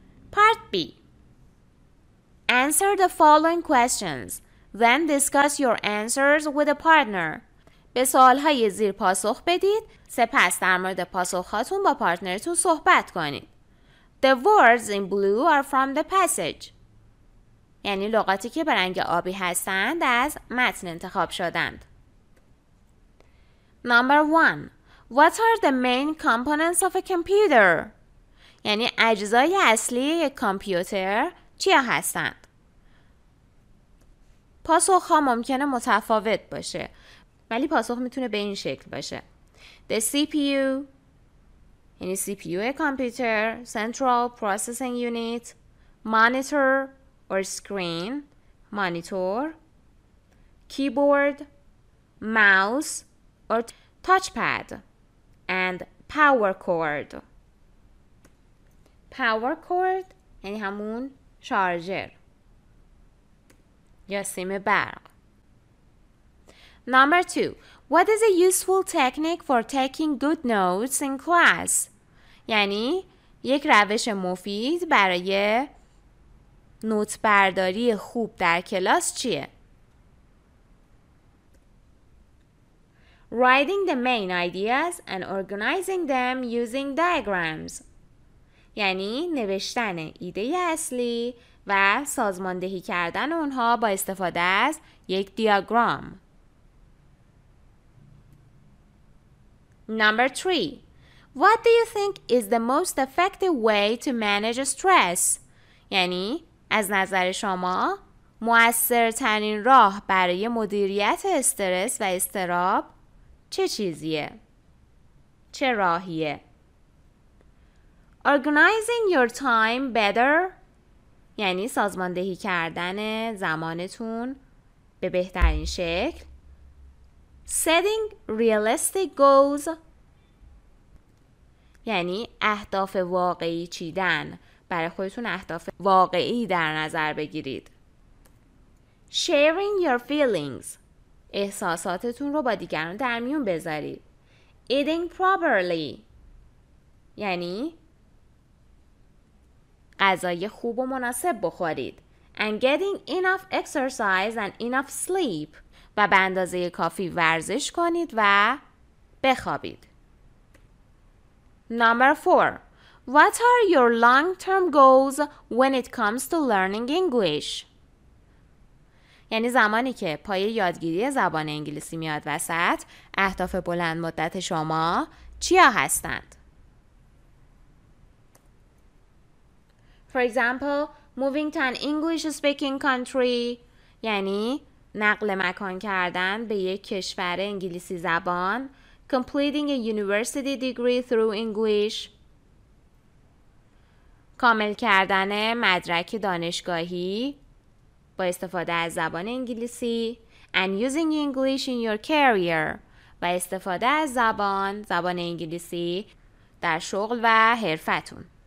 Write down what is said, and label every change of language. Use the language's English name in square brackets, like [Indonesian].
[English] Part B. Answer the following questions. Then discuss your answers with a partner. [Persian] به سوال‌های زیر پاسخ بدید، سپس در مورد پاسخ‌هاتون با پارتنرتون صحبت کنید. [English] The words in blue are from the passage. [Persian] یعنی لغاتی که به رنگ آبی هستند از متن انتخاب شدند. [English] Number 1. What are the main components of a computer? [Persian] یعنی اجزای اصلی یک کامپیوتر چیا هستند؟ پاسخ ها ممکنه متفاوت باشه، ولی پاسخ میتونه به این شکل باشه: The CPU، یعنی CPU کامپیوتر، Central Processing Unit، [English] Monitor or Screen، [Persian] مانیتور، [English] Keyboard، Mouse or Touchpad، and Power Cord. [Persian] Power Cord یعنی همون شارژر یا سیم برق. [English] Number 2. What is a useful technique for taking good notes in class? [Persian] یعنی یک روش مفید برای نوت برداری خوب در کلاس چیه؟ [English] Writing the main ideas and organizing them using diagrams. [Persian] یعنی نوشتن ایده اصلی و سازماندهی کردن اونها با استفاده از یک دیاگرام. [English] Number 3. What do you think is the most effective way to manage stress? [Persian] یعنی از نظر شما مؤثرترین راه برای مدیریت استرس و اضطراب چه چیزیه؟ چه راهیه؟ [English] Organizing your time better، [Persian] یعنی سازماندهی کردن زمانتون به بهترین شکل. [English] Setting realistic goals، [Persian] یعنی اهداف واقعی چیدن، برای خودتون اهداف واقعی در نظر بگیرید. [English] Sharing your feelings، [Persian] احساساتتون رو با دیگران در میون بذارید. [English] eating properly [Persian] یعنی غذای خوب و مناسب بخورید [English] and getting enough exercise and enough sleep [Persian] و به اندازه کافی ورزش کنید و بخوابید. [English] Number 4. What are your long-term goals when it comes to learning English? [Persian] یعنی زمانی که پای یادگیری زبان انگلیسی میاد وسط، اهداف بلند مدت شما چیا هستند؟ [English] For example, moving to an English-speaking country [Persian] یعنی نقل مکان کردن به یک کشور انگلیسی زبان، [English] completing a university degree through English، [Persian] کامل کردن مدرک دانشگاهی با استفاده از زبان انگلیسی، [English] and using English in your career [Persian] و استفاده از زبان انگلیسی در شغل و حرفتون.